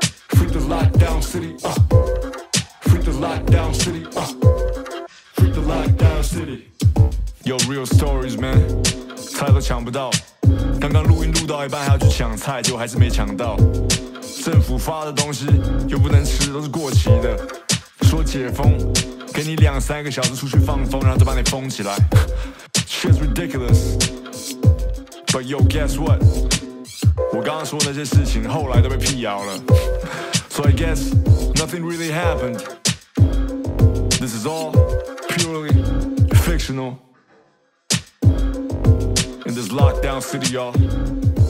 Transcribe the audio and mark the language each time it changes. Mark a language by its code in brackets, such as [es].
[en] Free the lockdown city, Free the lockdown city, Free the lockdown city. Yo, real stories, man. [zh] 菜都抢不到，刚刚录音录到一半还要去抢菜，结果还是没抢到。政府发的东西又不能吃，都是过期的。说解封，给你2-3个小时出去放风，然后再把你封起来。 [en] Shit's ridiculous. But yo, guess what? [zh] 我刚刚说的那些事情后来都被辟谣了。 [en] So I guess nothing really happened. This is all purely fictional. In this lockdown city, y'all.